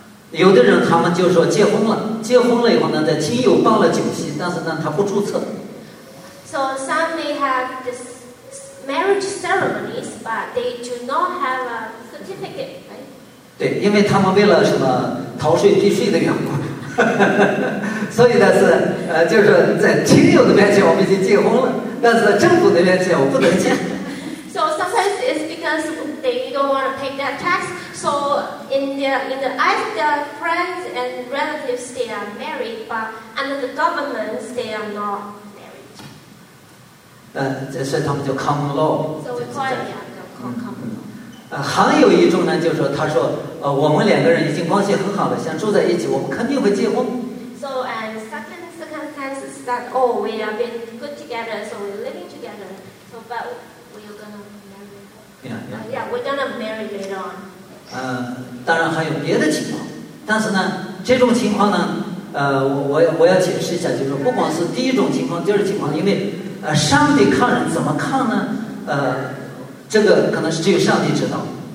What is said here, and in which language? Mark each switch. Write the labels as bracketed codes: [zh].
[zh] 有的人他们就说结婚了，结婚了以后呢，在亲友办了酒席，但是呢，他不注册。 [en] So some may have this marriage ceremonies, but they do not have a certificate. [zh] 对，因为他们为了什么逃税避税的缘故，所以呢是就是在亲友的面前我们已经结婚了，但是在政府的面前我不能结。 [en] So sometimes it's because they don't want to pay that tax. So in the eyes of their friends and relatives, they are married, but under the government, they are not married. [zh] 这是他们就 common law. [en] So we call it common law. [zh] 还有一种呢，就是说，他说，我们两个人已经关系很好了，想住在一起，我们肯定会结婚。 [en] So and second circumstance is that oh we have been good together, so we're living together. So but we're gonna marry. Yeah, we're gonna marry later on. [zh] 当然还有别的情况，但是呢，这种情况呢，我要解释一下，就是不管是第一种情况、第二情况，因为上帝看人怎么看呢？这个可能是只有上帝知道。